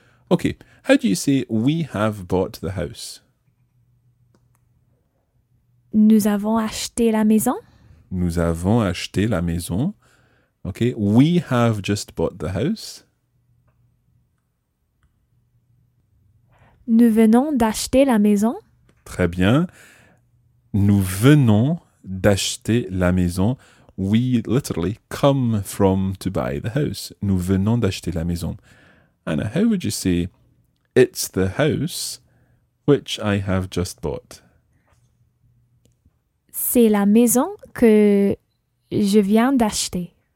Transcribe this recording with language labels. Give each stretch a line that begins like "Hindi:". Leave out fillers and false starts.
English: Okay, how do you say we have bought the house?
French: Nous avons acheté la maison. Nous avons acheté la maison.
English: Okay, we have just bought the house.
French: Nous venons d'acheter la maison. Très bien. Nous venons d'acheter la maison.
English: We literally come from to buy the house.
French: Nous venons d'acheter la maison.
English: Anna, how would you say it's the house which I have just bought?
French: C'est la maison que je viens d'acheter.